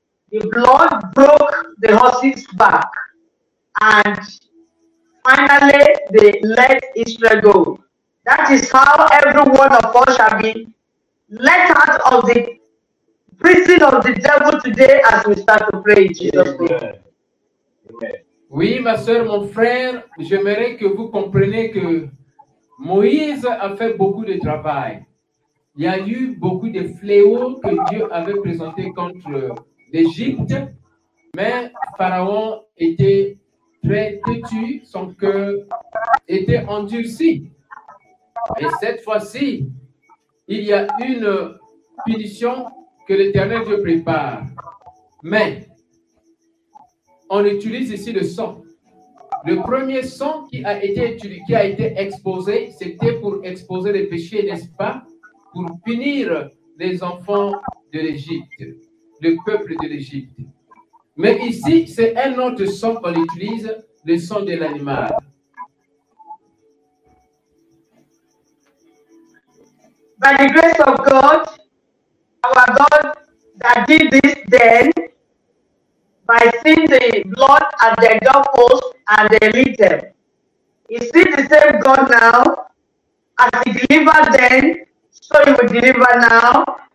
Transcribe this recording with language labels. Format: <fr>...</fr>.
<en>The blood broke the horse's back, and finally they let Israel go. That is how every one of us shall be let out of the prison of the devil today as we start to pray in Jesus' name.</en> <fr>Oui, ma soeur, mon frère, j'aimerais que vous compreniez que Moïse a fait beaucoup de travail. Il y a eu beaucoup de fléaux que Dieu avait présentés contre l'Égypte, mais Pharaon était très têtu, son cœur était endurci. Et cette fois-ci, il y a une punition que l'Éternel Dieu prépare. Mais on utilise ici le sang. Le premier sang qui a été exposé, c'était pour exposer les péchés, n'est-ce pas? Pour punir les enfants de l'Égypte, le peuple de l'Égypte. Mais ici, c'est un autre sang qu'on utilise, le sang de l'animal.</fr> <en>By the grace of God, our God that did this then, by seeing the blood and the doorpost and the litter, is it the same God now as He delivered then, so He will deliver now.</en>